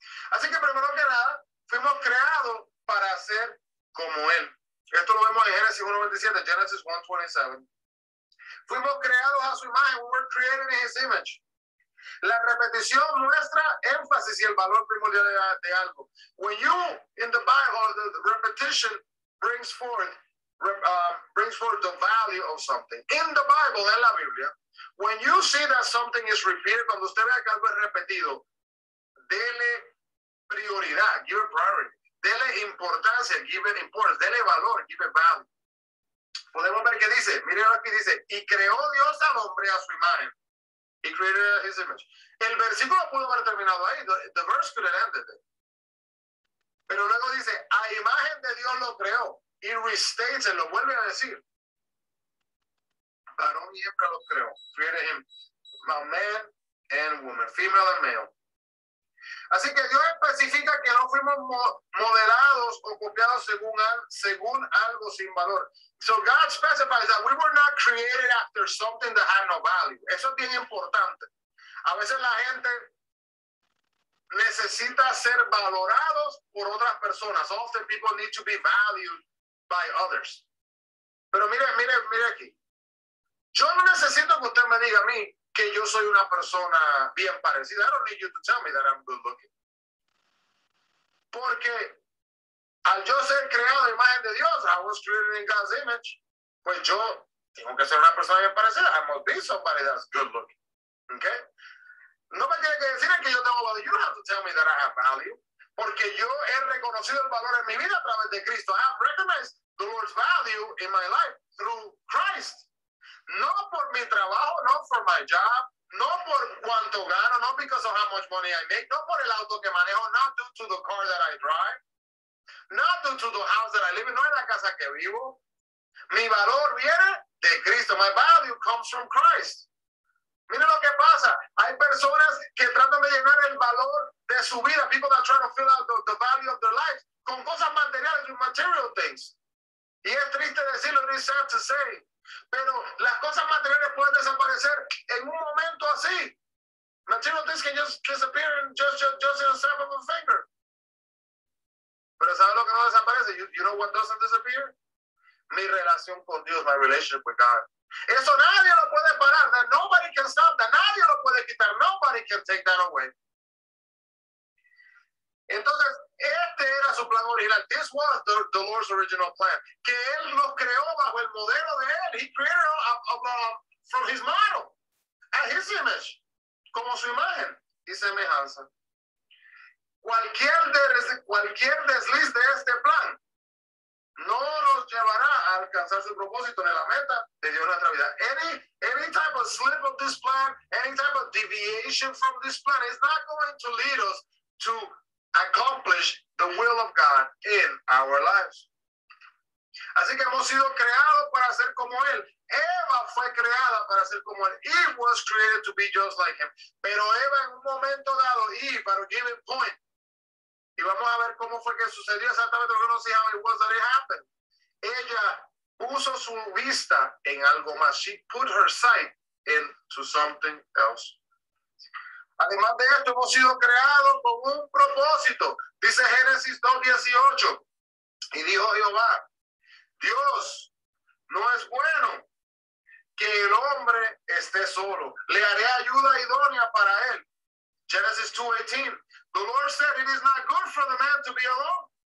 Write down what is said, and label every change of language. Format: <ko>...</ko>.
<es>Así que primero que nada, fuimos creados para ser como Él. Esto lo vemos en Genesis 1:27. Fuimos creados a su imagen.</es> <en>We were created in His image.</en> <es>La repetición muestra énfasis y el valor primordial de algo.</es> <en>When you, in the Bible, the repetition brings forth the value of something. In the Bible,</en> <es>en la Biblia,</es> <en>when you see that something is repeated,</en> <es>cuando usted vea que algo es repetido, dele prioridad,</es> <en>give it priority.</en> <es>Dele importancia,</es> <en>give it importance.</en> <es>Dele valor,</es> <en>give it value.</en> <es>Podemos ver qué dice. Mire aquí dice, y creó Dios al hombre a su imagen.</es> <en>He created his image.</en> <es>El versículo pudo haber terminado ahí.</es> <en>The verse could have ended it.</en> <es>Pero luego dice, a imagen de Dios lo creó. Y restates, se lo vuelve a decir. Varón y hembra lo creó.</es> <en>Created him. Man and woman. Female and male.</en> <es>Así que Dios especifica que no fuimos modelados o copiados según algo sin valor.</es> <en>So God specifies that we were not created after something that had no value.</en> <es>Eso es bien importante. A veces la gente necesita ser valorados por otras personas.</es> <en>Often people need to be valued by others.</en> <es>Pero mire aquí. Yo no necesito que usted me diga a mí que yo soy una persona bien parecida.</es> <en>I don't need you to tell me that I'm good looking.</en> <es>Porque al yo ser creado en imagen de Dios,</es> <en>I was created in God's image,</en> <es>pues yo tengo que ser una persona bien parecida.</es> <en>I must be somebody that's good looking. Okay?</en> <es>No me tiene que decir que yo tengo valor.</es> <en>You don't have to tell me that I have value.</en> <es>Porque yo he reconocido el valor en mi vida a través de Cristo.</es> <en>I have recognized the Lord's value in my life through Christ.</en> <es>No por mi trabajo,</es> <en>no for my job,</en> <es>no por cuánto gano,</es> <en>no because of how much money I make,</en> <es>no por el auto que manejo,</es> <en>not due to the car that I drive, not due to the house that I live in,</en> <es>no es la casa que vivo. Mi valor viene de Cristo.</es> <en>My value comes from Christ.</en> <es>Miren lo que pasa. Hay personas que tratan de llenar el valor de su vida.</es> <en>People that try to fill out the value of their life</en> <es>con cosas materiales,</es> <en>with material things.</en> <es>Y es triste decirlo,</es> <en>it is sad to say.</en> <es>Pero las cosas materiales pueden desaparecer en un momento así.</es> <en>Material things can just disappear in just in a snap of a finger.</en> <es>Pero ¿sabes lo que no desaparece?</es> <en>You know what doesn't disappear?</en> <es>Mi relación con Dios,</es> <en>my relationship with God.</en> <es>Eso nadie lo puede parar.</es> <en>That nobody can stop that.</en> <es>Nadie lo puede quitar.</es> <en>Nobody can take that away.</en> <es>Entonces, este era su plan original.</es> <en>This was the Lord's original plan.</en> <es>Que él los creó bajo el modelo de él.</es> <en>He created from his model. At his image.</en> <es>Como su imagen y semejanza. Cualquier desliz de este plan no nos llevará a alcanzar su propósito ni la meta de Dios en nuestra vida.</es> <en>Any type of slip of this plan, any type of deviation from this plan is not going to lead us to accomplish the will of God in our lives.</en> <es>Así que hemos sido creados para ser como Él. Eva fue creada para ser como Él.</es> <en>Eve was created to be just like Him.</en> <es>Pero Eva en un momento dado,</es> <en>Eve, at a given point,</en> <es>y vamos a ver cómo fue que sucedió exactamente, porque no sé</es> <en>how it was that it happened.</en> <es>Ella puso su vista en algo más.</es> <en>She put her sight into something else.</en> <es>Además de esto, hemos sido creados con un propósito. Dice Génesis 2:18. Y dijo Jehová, Dios, no es bueno que el hombre esté solo. Le haré ayuda idónea para él. Genesis 2:18.</es> <en>The Lord said, it is not good for the man to be alone.</en>